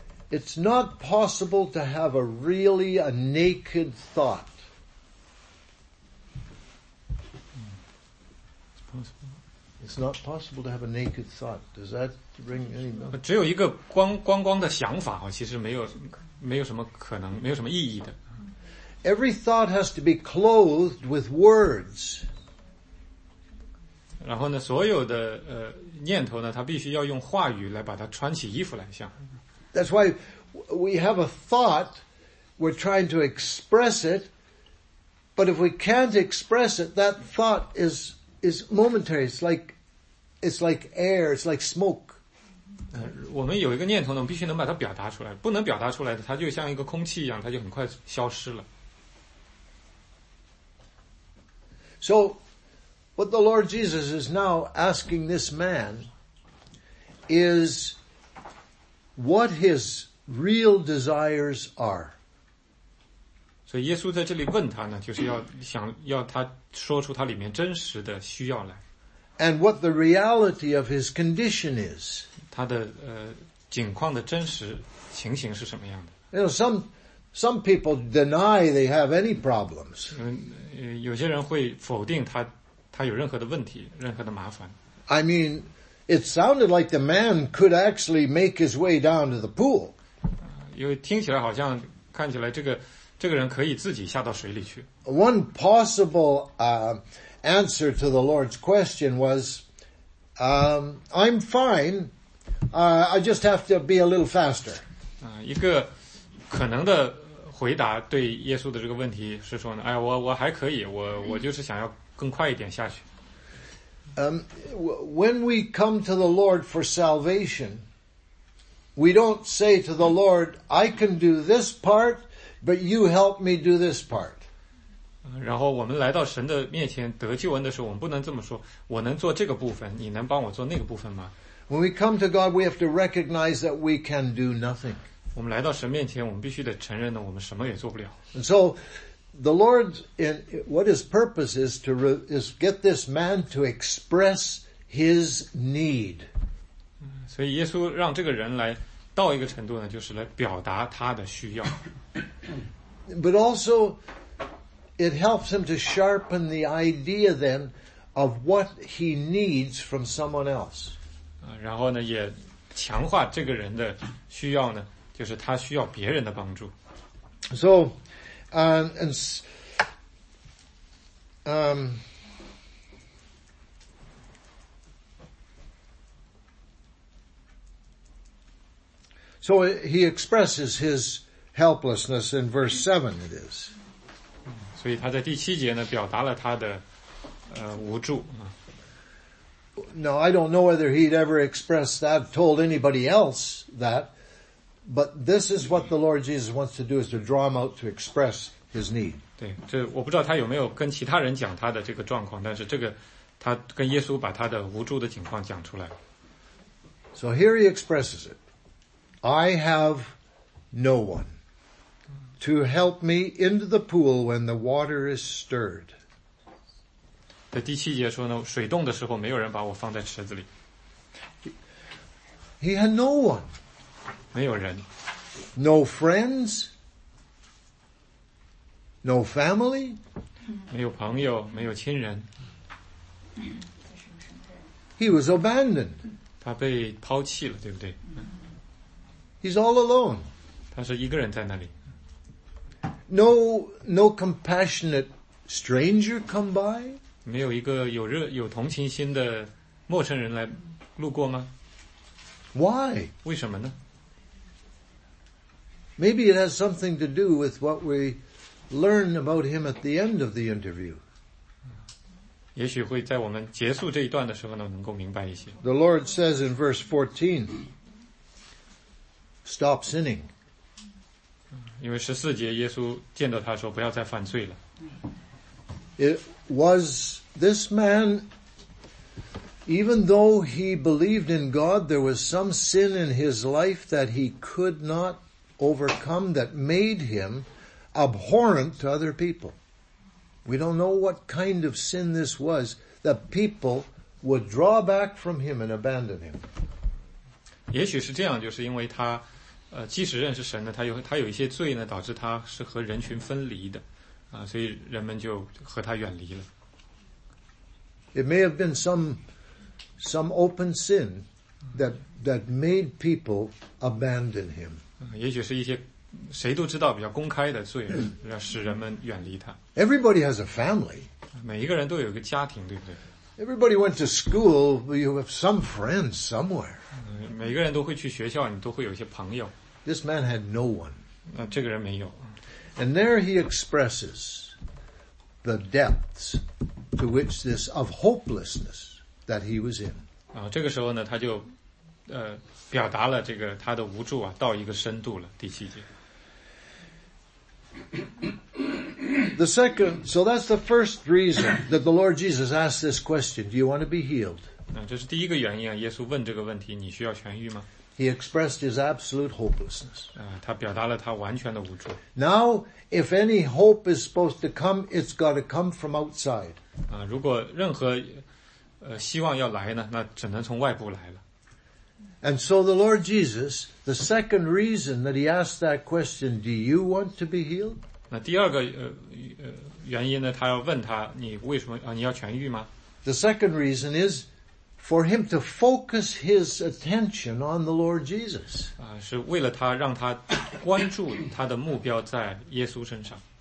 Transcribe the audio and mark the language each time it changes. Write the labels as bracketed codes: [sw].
[en] It's not possible to have a naked thought. It's not possible to have a naked thought. Does that ring any bell? [zh] 只有一个光的想法其实没有什么可能，没有什么意义的。 [en] Every thought has to be clothed with words. [zh] 然后呢，所有的念头呢，它必须要用话语来把它穿起衣服来像。 [en] That's why we have a thought, we're trying to express it, but if we can't express it, that thought is momentary. It's like air, it's like smoke. [zh] 我们有一个念头呢，我们必须能把它表达出来，不能表达出来的，它就像一个空气一样，它就很快消失了。 [en] So, what the Lord Jesus is now asking this man is what his real desires are. [zh] 所以耶稣在这里问他呢，就是要他说出他里面真实的需要来。 [en] And what the reality of his condition is. [zh] 他的境况的真实情形是什么样的。 [en] You know, some people deny they have any problems. [zh] 有些人会否定他有任何的问题，任何的麻烦。 [en] I mean, it sounded like the man could actually make his way down to the pool. [zh] 因为听起来好像看起来这个人可以自己下到水里去。 [en] One possible answer to the Lord's question was, I'm fine, I just have to be a little faster. [zh] 一个可能的回答对耶稣的这个问题是说呢，哎，我还可以，我就是想要更快一点下去。 [en] When we come to the Lord for salvation, we don't say to the Lord, I can do this part, but you help me do this part. [zh] 然后我们来到神的面前得救恩的时候，我们不能这么说，我能做这个部分，你能帮我做那个部分吗？ [en] When we come to God, we have to recognize that we can do nothing. [zh] 我们来到神面前，我们必须得承认呢，我们什么也做不了。 [en] And so, the Lord, in, what his purpose is to re, is get this man to express his need. [zh] 所以耶稣让这个人来到一个程度呢，就是来表达他的需要。 [en] But also, it helps him to sharpen the idea then of what he needs from someone else. [zh] 然后呢，也强化这个人的需要呢，就是他需要别人的帮助。 [en] So, so he expresses his helplessness in verse 7 it is. [zh] 所以他在第七节呢表达了他的无助。 [en] Now, I don't know whether he'd ever expressed that, told anybody else that, but this is what the Lord Jesus wants to do, is to draw him out to express his need. [zh] 对，这我不知道他有没有跟其他人讲他的这个状况，但是这个他跟耶稣把他的无助的情况讲出来。 [en] So here he expresses it. I have no one to help me into the pool when the water is stirred. [zh] 第七节说呢，水动的时候没有人把我放在池子里。 [en] He had no one. [zh] 没有人。 [en] No friends. No family. [zh] 没有朋友，没有亲人。 [en] He was abandoned. [zh] 他被抛弃了，对不对？ [en] He's all alone. [zh] 他是一个人在那里。 [en] No compassionate stranger come by. [zh] 没有一个有同情心的陌生人来路过吗？ [en] Why? [zh] 为什么呢？ [en] Maybe it has something to do with what we learn about him at the end of the interview. [zh] 也许会在我们结束这一段的时候呢，能够明白一些。 [en] The Lord says in verse 14, stop sinning. [zh] 因为14节耶稣见到他说不要再犯罪了。 [en] It was this man, even though he believed in God, there was some sin in his life that he could not overcome that made him abhorrent to other people. We don't know what kind of sin this was that people would draw back from him and abandon him. [zh] 也许是这样，就是因为他即使认识神呢，他有一些罪呢，导致他是和人群分离的，所以人们就和他远离了。 [en] It may have been some open sin that made people abandon him. [zh] 也许是一些谁都知道比较公开的罪，使人们远离他。 [en] Everybody has a family. [zh] 每一个人都有一个家庭，对不对？ [en] Everybody went to school. You have some friends somewhere. [zh] 每个人都会去学校，你都会有一些朋友。 [en] This man had no one. [zh] 这个人没有。 [en] And there he expresses the depths to which this of hopelessness that he was in. [zh] 这个时候呢，他就表达了这个他的无助啊，到一个深度了。第七节。 [en] The second, so that's the first reason that the Lord Jesus asked this question. Do you want to be healed? [zh] 这是第一个原因啊，耶稣问这个问题，你需要痊愈吗？ [en] He expressed his absolute hopelessness. [zh] 他表达了他完全的无助。 [en] Now, if any hope is supposed to come, it's got to come from outside. [zh] 如果任何希望要来呢，那只能从外部来了。 [en] And so the Lord Jesus, the second reason that he asked that question, do you want to be healed? [zh] 那第二个原因呢，他要问他，你为什么你要痊愈吗？ [en] The second reason is,for him to focus his attention on the Lord Jesus. [zh] 是为了他让他关注他的目标在耶稣身上。